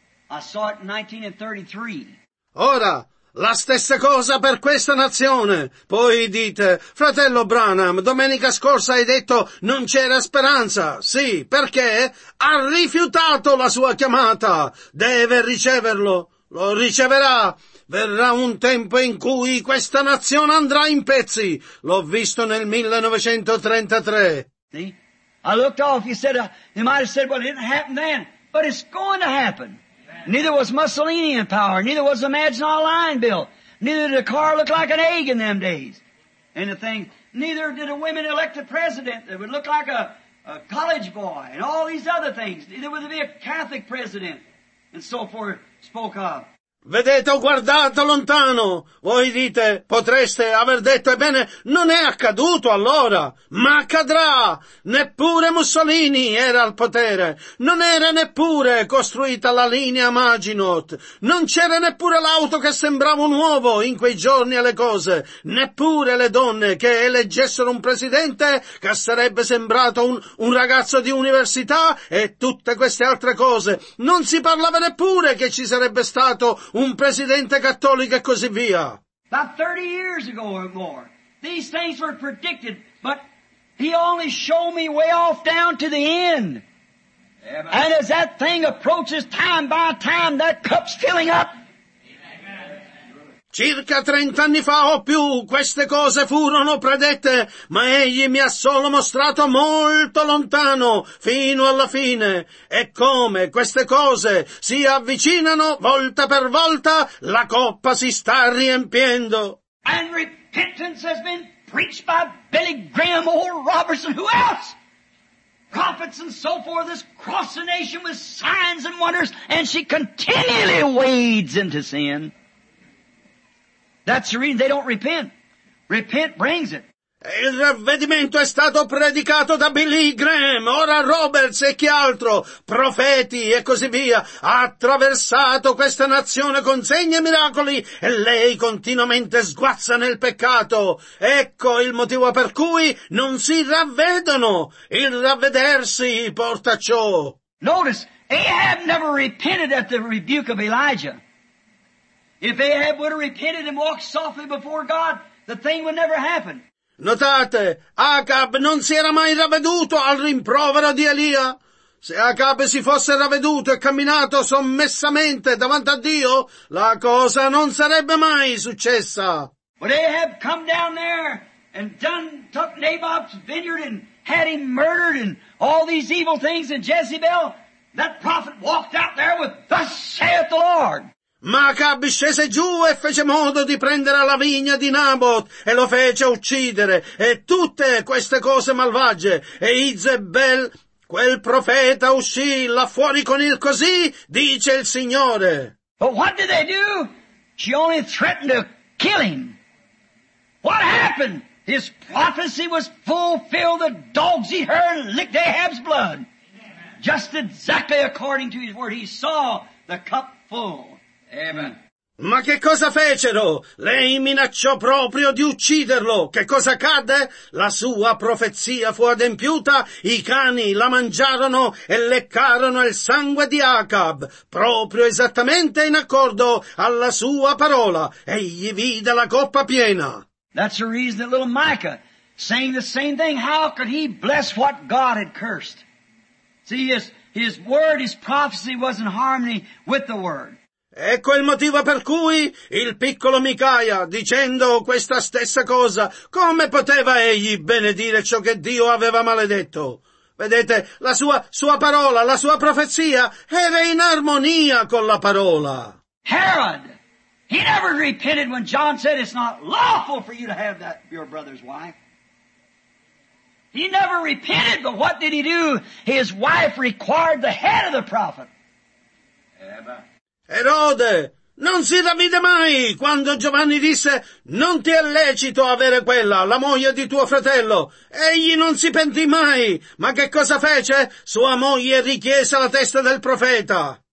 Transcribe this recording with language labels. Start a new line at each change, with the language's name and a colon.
English: I saw it in 1933.
Italian: Ora! La stessa cosa per questa nazione. Poi dite, fratello Branham, domenica scorsa hai detto non c'era speranza. Sì, perché? Ha rifiutato la sua chiamata. Deve riceverlo. Lo riceverà. Verrà un tempo in cui questa nazione andrà in pezzi. L'ho visto nel 1933. Sì?
English: I looked off, you might have said, well, it didn't happen then, but it's going to happen. Neither was Mussolini in power, neither was the Maginot Line bill, neither did a car look like an egg in them days. And the thing, neither did a woman elect a president that would look like a college boy and all these other things. Neither would there be a Catholic president and so forth spoke of.
Italian: Vedete, ho guardato lontano. Voi dite, potreste aver detto, ebbene, non è accaduto allora, ma accadrà. Neppure Mussolini era al potere. Non era neppure costruita la linea Maginot. Non c'era neppure l'auto che sembrava nuovo in quei giorni alle cose. Neppure le donne che eleggessero un presidente che sarebbe sembrato un ragazzo di università e tutte queste altre cose. Non si parlava neppure che ci sarebbe stato un presidente cattolico e così via.
English: About 30 years ago or more, these things were predicted, but he only showed me way off down to the end. Amen. And as that thing approaches time by time, that cup's filling up.
Italian: Circa 30 anni fa o più queste cose furono predette, ma egli mi ha solo mostrato molto lontano, fino alla fine. E come queste cose si avvicinano volta per volta, la coppa si sta riempiendo.
English: And repentance has been preached by Billy Graham or Robertson, who else? Prophets and so forth has crossed the nation with signs and wonders, and she continually wades into sin. That's the reason they don't repent. Repent brings it.
Italian: Il ravvedimento è stato predicato da Billy Graham, ora Roberts e chi altro, profeti e così via, ha attraversato questa nazione con segni e miracoli e lei continuamente sguazza nel peccato. Ecco il motivo per cui non si ravvedono. Il ravvedersi porta ciò.
English: Notice, Ahab never repented at the rebuke of Elijah. If Ahab would have repented and walked softly before God, the thing would never happen.
Italian: Notate, Acab non si era mai ravveduto al rimprovero di Elia. Se Acab si fosse ravveduto e camminato sommessamente davanti a Dio, la cosa non sarebbe mai successa.
English: But Ahab come down there and done took Naboth's vineyard and had him murdered and all these evil things and Jezebel, that prophet walked out there with, "Thus saith the Lord."
Italian: Ma Acab scese giù e fece modo di prendere la vigna di Naboth e lo fece uccidere e tutte queste cose malvagie. E Izebel, quel profeta, uscì là fuori con il così, dice il Signore.
English: But what did they do? She only threatened to kill him. What happened? His prophecy was fulfilled. The dogs eat her and licked Ahab's blood. Just exactly according to his word, he saw the cup full.
Italian: Ma che cosa fecero? Lei minacciò proprio di ucciderlo. Che cosa accadde? La sua profezia fu adempiuta, i cani la mangiarono e leccarono il sangue di Acab, proprio esattamente in accordo alla sua parola. Egli vide la coppa piena.
English: That's the reason that little Micah saying the same thing. How could he bless what God had cursed? See, his word, his prophecy was in harmony with the word.
Italian: Ecco il motivo per cui il piccolo Micaia, dicendo questa stessa cosa, come poteva egli benedire ciò che Dio aveva maledetto? Vedete, la sua parola, la sua profezia, era in armonia con la parola.
English: Herod, he never repented when John said it's not lawful for you to have that your brother's wife. He never repented, but what did he do? His wife required the head of the prophet.
Italian: Erode non si ravvide mai quando Giovanni disse «Non ti è lecito avere quella, la moglie di tuo fratello». Egli non si pentì mai, ma che cosa fece? Sua moglie richiese la testa del profeta.